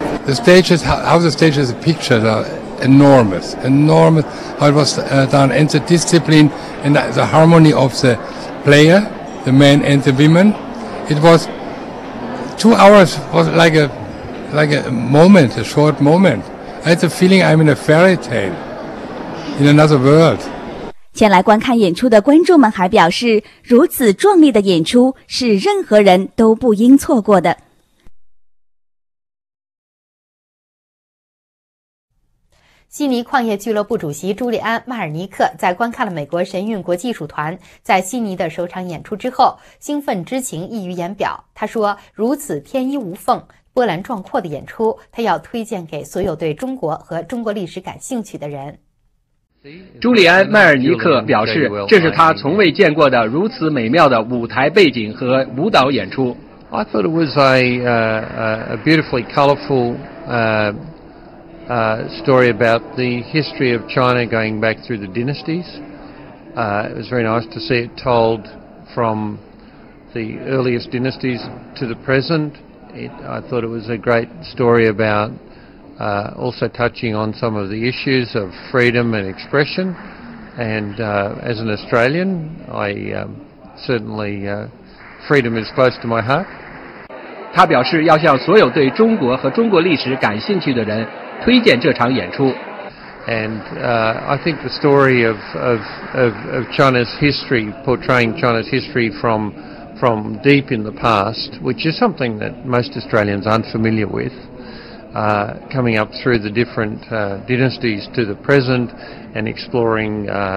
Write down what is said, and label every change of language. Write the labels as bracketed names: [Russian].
[English] The stages, how the stages are pictured are enormous, enormous, how it was done, and the discipline and the harmony of the player, the men and the women. It was 2 hours was like a moment, a short moment. I had the feeling I'm in a fairy tale, in another world. [Chinese] 前来观看演出的观众们还表示，如此壮丽的演出是任何人都不应错过的。悉尼矿业俱乐部主席朱利安·迈尔尼克在观看了美国神韵国际艺术团在悉尼的首场演出之后，兴奋之情溢于言表。他说，如此天衣无缝、波澜壮阔的演出，他要推荐给所有对中国和中国历史感兴趣的人。朱利安·迈尔尼克表示，这是他从未见过的如此美妙的舞台背景和舞蹈演出。 [English] I thought it was a beautifully colorful story about the history of China going back through the dynasties. It was very nice to see it told from the earliest dynasties to the present. I thought it was a great story about also touching on some of the issues of freedom and expression. And as an Australian, I certainly freedom is close to my heart. [Chinese] 他表示要向所有对中国和中国历史感兴趣的人推荐这场演出。 [English] And I think the story of China's history, portraying China's history from deep in the past, which is something that most Australians aren't familiar with, coming up through the different dynasties to the present and exploring